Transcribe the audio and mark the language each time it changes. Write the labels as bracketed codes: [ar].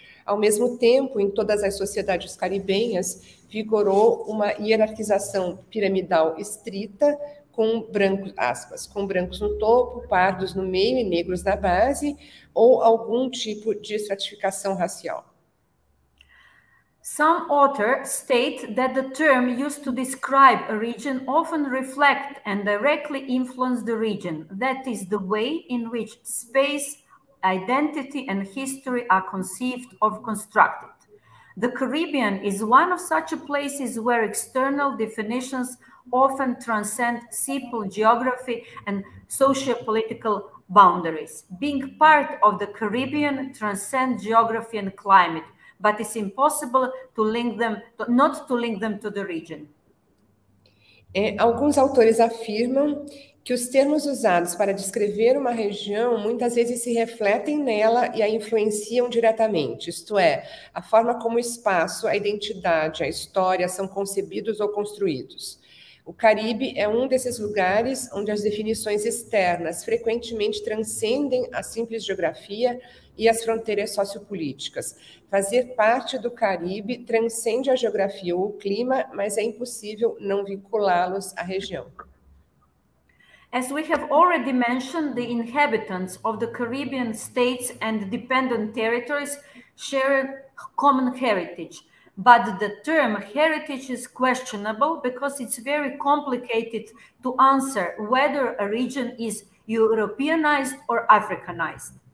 [pt] Ao mesmo tempo, em todas as sociedades caribenhas, vigorou uma hierarquização piramidal estrita, com brancos, aspas, com brancos no topo, pardos no meio e negros na base, ou algum tipo de estratificação racial. [en] Some authors state that the term used to describe a region often reflect and directly influence the region. That is the way in which space, identity and history are conceived or constructed. The Caribbean is one of such places where external definitions often transcend simple geography and socio-political boundaries. Being part of the Caribbean transcends geography and climate, but it's impossible to link them, not to link them to the region. [pt] É, alguns autores afirmam que os termos usados para descrever uma região muitas vezes se refletem nela e a influenciam diretamente, isto é, a forma como o espaço, a identidade, a história são concebidos ou construídos. O Caribe é um desses lugares onde as definições externas frequentemente transcendem a simples geografia e as fronteiras sociopolíticas. Fazer parte do Caribe transcende a geografia ou o clima, mas é impossível não vinculá-los à região. [en] As we have already mentioned, the inhabitants of the Caribbean states and dependent territories share a common heritage. But the term heritage is questionable because it's very complicated to answer whether a region is Europeanized or Africanized.